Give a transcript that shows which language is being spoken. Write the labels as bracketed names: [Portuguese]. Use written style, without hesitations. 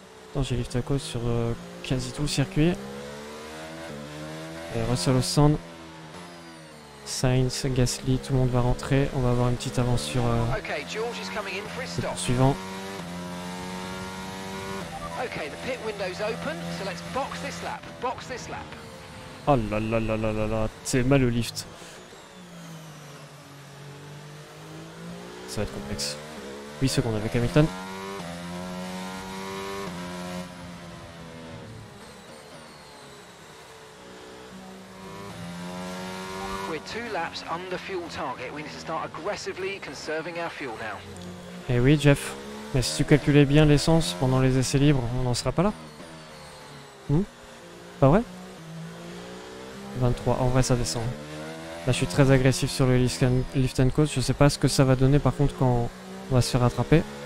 [French] Attends, j'ai lift à cause sur quasi tout le circuit. Et Russell au centre. Sainz, Gasly, tout le monde va rentrer. On va avoir une petite avance sur le suivant. [English] Ok, the pit window's open, so let's box this lap. Box this lap. [French] Oh là là là là là là, c'est mal le lift. Ça va être complexe. 8 secondes avec Hamilton. [English] We're 2 laps under fuel target. We need to start aggressively conserving our fuel now. [French] Eh oui, Jeff. Mais si tu calculais bien l'essence pendant les essais libres, on n'en sera pas là. Pas vrai? 23, en vrai ça descend. Là je suis très agressif sur le lift and coast, je sais pas ce que ça va donner par contre quand on va se faire rattraper.